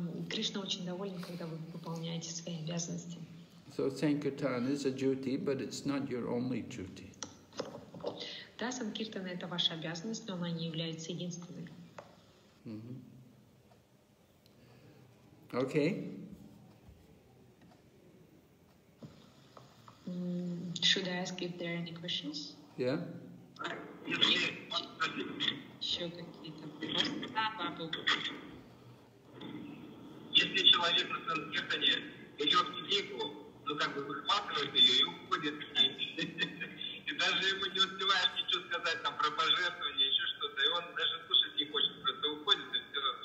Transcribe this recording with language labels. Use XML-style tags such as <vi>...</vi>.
<ru>Krishna очень доволен, когда вы выполняете свои обязанности.</ru> <en>So Sankirtan is a duty, but it's not your only duty.</en> <ru>Да, Sankirtan это ваша обязанность, но она не является единственной.</ru> <en>Okay. Should I ask if there are any questions? Yeah.</en> <ru>Если человек на Санкиртане берет книгу, ну как бы выхватывает ее и уходит к ней, и даже ему не успеваешь ничего сказать там про пожертвование, еще что-то, и он даже слушать не хочет, просто уходит, и все.</ru>